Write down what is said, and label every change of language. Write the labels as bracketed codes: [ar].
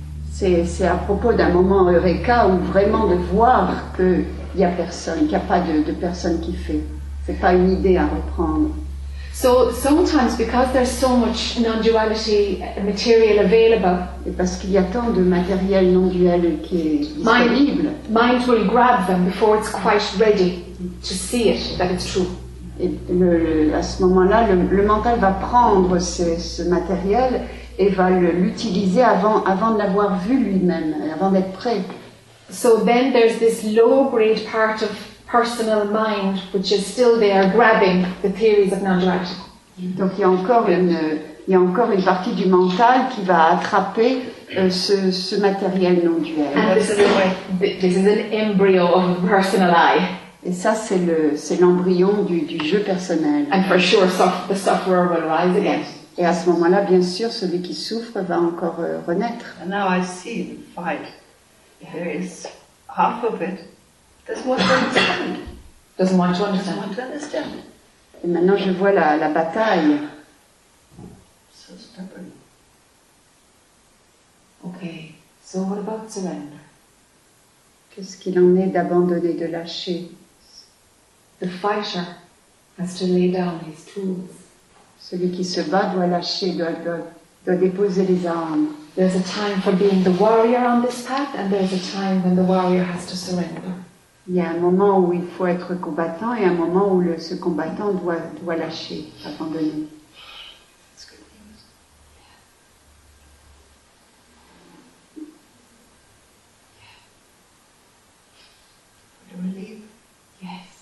[fr] C'est à propos d'un moment eureka où vraiment de voir qu'il y a personne, qu'il n'y a pas de personne qui fait. C'est pas une idée à reprendre. [en] So sometimes because there's so much non-duality material available. [fr] Et parce qu'il y a tant de matériel non-duel qui est disponible. [en] Mind will grab them before it's quite ready to see it that it's true. [fr] Et à ce moment-là, le mental va prendre ce matériel et va l'utiliser avant de l'avoir vu lui-même, avant d'être prêt. [en] So then there's this low-grade part of personal mind which is still there grabbing the theories of non-duality. [fr] Donc il y a encore une partie du mental qui va attraper ce matériel non-duel. [en] And this is an embryo of a personal eye. [fr] Et ça, c'est l'embryon du jeu personnel. [en] And for sure, the sufferer will rise again. [fr] Et à ce moment-là, bien sûr, celui qui souffre va encore renaître. [en] And now I see the fight. There is half of it. Doesn't want to understand. [fr] Et maintenant, je vois la bataille. [en] So stubborn. Okay, so what about surrender? [fr] Qu'est-ce qu'il en est d'abandonner, de lâcher? [en] The fighter has to lay down his tools. [fr] Celui qui se bat doit lâcher, doit déposer les armes. [en] There's a time for being the warrior on this path, and there's a time when the warrior has to surrender. [fr] Il y a un moment où il faut être combattant et un moment où ce combattant doit lâcher, abandonner. [en] That's good news. Yeah.